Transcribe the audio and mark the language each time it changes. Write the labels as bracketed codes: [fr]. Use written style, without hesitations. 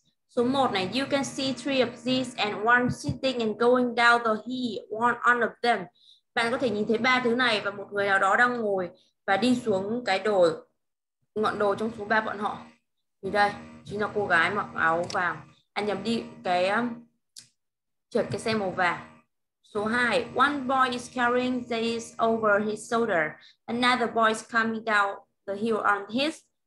[vi] Số 1 này, [en] you can see three of these and one sitting and going down the hill, one on of them. [vi] Bạn có thể nhìn thấy ba thứ này và một người nào đó đang ngồi và đi xuống cái đồi, ngọn đồi trong số ba bọn họ. Nhìn đây, chính là cô gái mặc áo vàng. Anh nhầm đi cái trượt cái xe màu vàng. Số 2, [en] one boy is carrying these over his shoulder. Another boy is coming down the hill on his.